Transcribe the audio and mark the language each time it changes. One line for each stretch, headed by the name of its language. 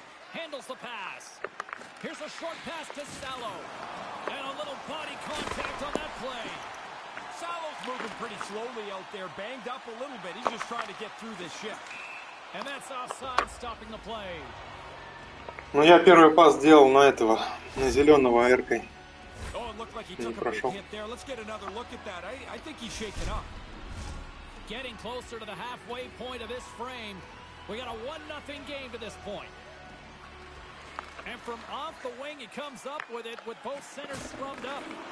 English: Handles the pass. Here's a short pass to Salo. And a little body contact on that play. Salo's moving pretty slowly out there, banged up a little bit. He's just trying to get through this shift. And that's offside, stopping the play.
Russian: Ну я первый пас сделал на этого, на зеленого Эркой.
English: Like he took a big hit there. Let's get another look at that. I think he's shaking up. Getting closer to the halfway point of this frame. We got a 1-0 game to this point. And from off the wing, he comes up with it with both centers scrummed up.